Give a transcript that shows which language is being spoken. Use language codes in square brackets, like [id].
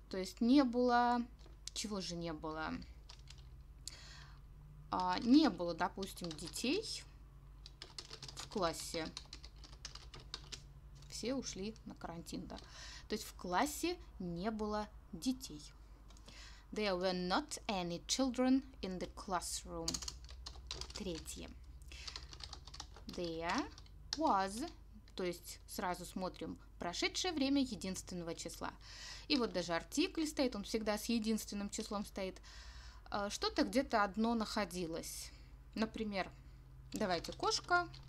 [ru] То есть не было, чего же не было? Не было, допустим, детей в классе. Все ушли на карантин, да. То есть в классе не было детей. [en] There were not any children in the classroom. [ru] Третье. [en] There was. [ru] То есть сразу смотрим прошедшее время единственного числа. И вот даже артикль стоит, он всегда с единственным числом стоит. Что-то где-то одно находилось. Например, давайте кошка.